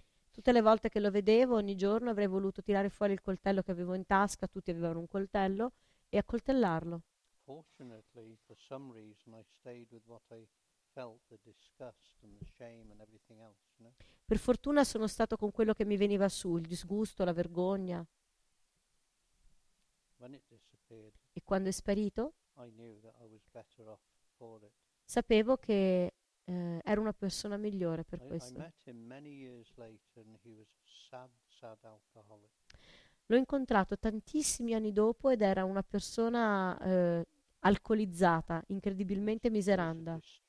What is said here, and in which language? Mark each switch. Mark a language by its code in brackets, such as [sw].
[it] Tutte le volte che lo vedevo, ogni giorno avrei voluto tirare fuori il coltello che avevo in tasca, tutti avevano un coltello, e accoltellarlo. [en] Fortunately, for some reason, I stayed with what I felt, the disgust and the shame and everything else, you know? [it] Per fortuna sono stato con quello che mi veniva su, il disgusto, la vergogna. [en] When it disappeared, [it] e quando è sparito, [en] I knew that I was better off for it. [it] Sapevo che ero una persona migliore per questo. [en] I met him many years later and he was a sad, sad alcoholic. [it] L'ho incontrato tantissimi anni dopo ed era una persona alcolizzata, incredibilmente miseranda.